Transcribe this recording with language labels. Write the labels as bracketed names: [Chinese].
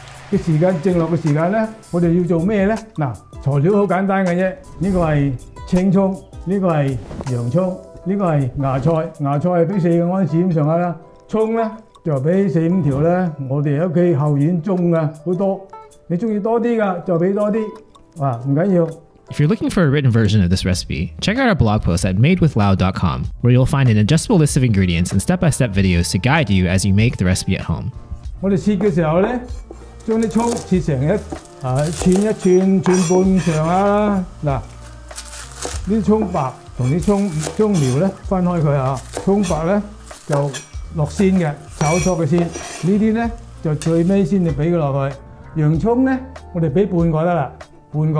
[Cantonese] 嘅時間蒸落嘅時間咧，我哋要做咩咧？嗱，材料好簡單嘅啫。呢個係青葱，呢個係洋葱，呢個係芽菜。芽菜係俾四個安士咁上下啦。葱咧就俾四五條咧。我哋屋企後院種嘅好多，你中意多啲嘅就俾多啲。啊，唔緊要。 [English] If you're looking for a written version of this recipe, check out our blog post at madewithlau.com, where you'll find an adjustable list of ingredients and step-by-step videos to guide you as you make the recipe at home. [Cantonese] 我哋試嘅時候咧。將啲葱切成一寸半長啊！嗱，啲葱白同啲葱苗咧分開佢啊！葱白咧就落先嘅，炒熟嘅先。呢啲咧就最尾先至俾佢落去。洋葱咧，我哋俾半個得啦，半個。